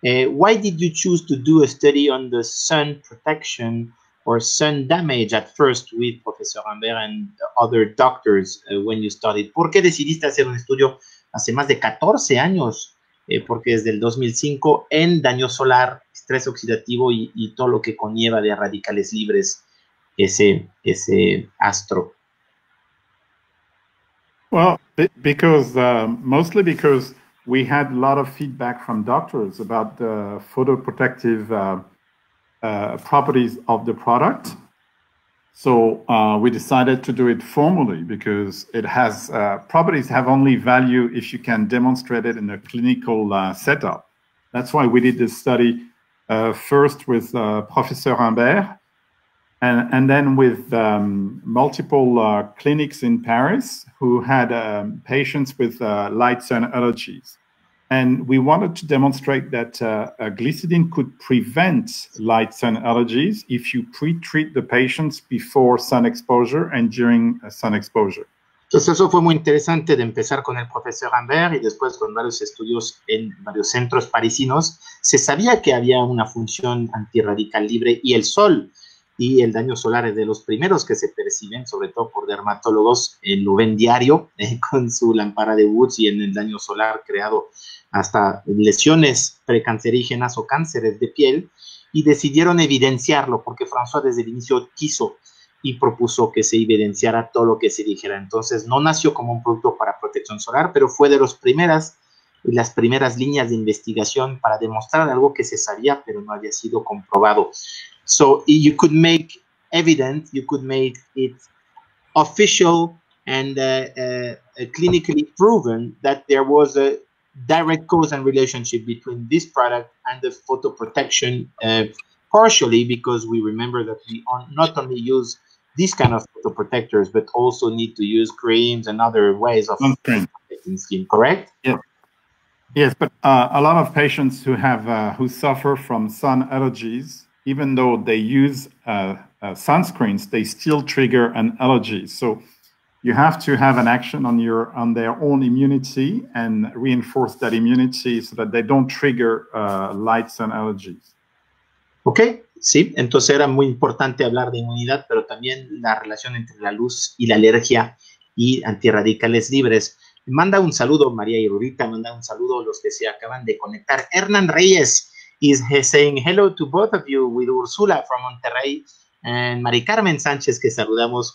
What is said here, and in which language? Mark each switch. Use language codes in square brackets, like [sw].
[en] Why did you choose to do a study on the sun protection or sun damage at first with Professor Amber and other doctors when you started? [es] ¿Por qué decidiste hacer un estudio hace más de 14 años? Porque desde el 2005 en daño solar, estrés oxidativo y todo lo que conlleva de radicales libres ese astro. [en] Well, because mostly because we had a lot of feedback from doctors about the photoprotective properties of the product. So we decided to do it formally because it has properties have only value if you can demonstrate it in a clinical setup. That's why we did this study first with Professor Humbert and then with multiple clinics in Paris who had patients with light sun allergies. And we wanted to demonstrate that glycidine could prevent light sun allergies if you pre-treat the patients before sun exposure and during sun exposure. [es] Entonces eso fue muy interesante de empezar con el profesor Humbert y después con varios estudios en varios centros parisinos. Se sabía que había una función antirradical libre y el sol y el daño solar es de los primeros que se perciben, sobre todo por dermatólogos, lo ven diario con su lámpara de Woods y en el daño solar creado hasta lesiones precancerígenas o cánceres de piel, y decidieron evidenciarlo porque François desde el inicio quiso y propuso que se evidenciara todo lo que se dijera. Entonces, no nació como un producto para protección solar, pero fue de las primeras líneas de investigación para demostrar algo que se sabía, pero no había sido comprobado. [en] So you could make evident, you could make it official and clinically proven that there was a direct cause and relationship between this product and the photoprotection, partially because we remember that we not only use these kind of photoprotectors, but also need to use creams and other ways of protecting skin, correct? Yes, but a lot of patients who suffer from sun allergies, even though they use sunscreens, they still trigger an allergy. So you have to have an action on their own immunity and reinforce that immunity so that they don't trigger light sun allergies. [es] Okay, sí. Entonces era muy importante hablar de inmunidad, pero también la relación entre la luz y la alergia y antirradicales libres. Manda un saludo, María Irurita, manda un saludo a los que se acaban de conectar. Hernán Reyes, [en] is saying hello to both of you with Ursula from Monterrey and Mari Carmen Sánchez, [es] que saludamos.